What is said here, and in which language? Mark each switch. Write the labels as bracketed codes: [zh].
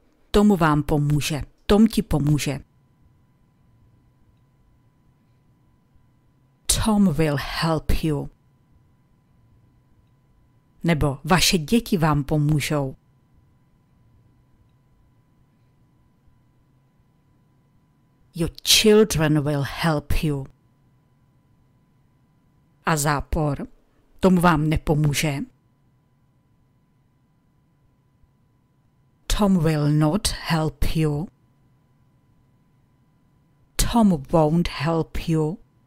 [cs] Tomu vám pomůže, tom ti pomůže. [en] Tom will help you. [cs] Nebo vaše děti vám pomůžou. [en] Your children will help you. [cs] A zápor, tomu vám nepomůže. [en] Tom will not help you. Tom won't help you.